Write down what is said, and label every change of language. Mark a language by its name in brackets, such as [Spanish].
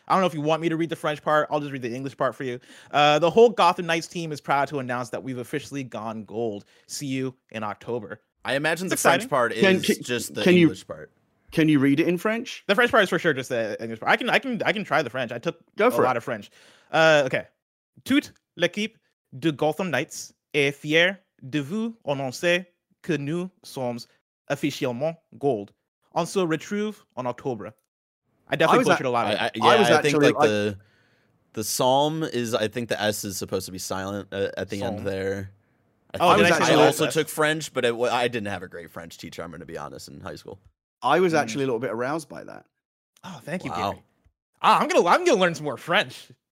[English] I don't know if you want me to read the French part. I'll just read the English part for you. The whole Gotham Knights team is proud to announce that we've officially gone gold. See you in October. I imagine it's the exciting. French part is English part. Can you read it in French? The French part is for sure just the English part. I can try the French. I took lot of French. Okay. [French] Toute l'équipe de Gotham Knights est fière de vous annoncer que nous sommes officiellement gold. On se retrouve en octobre. [English] I definitely butchered a lot of it. I think the psalm is, I think the S is supposed to be silent at the psalm. End there. I also took French, but I didn't have a great French teacher, I'm going to be honest, in high school. I was actually a little bit aroused by that. Oh, thank you, wow. Gary. I'm gonna learn some more French.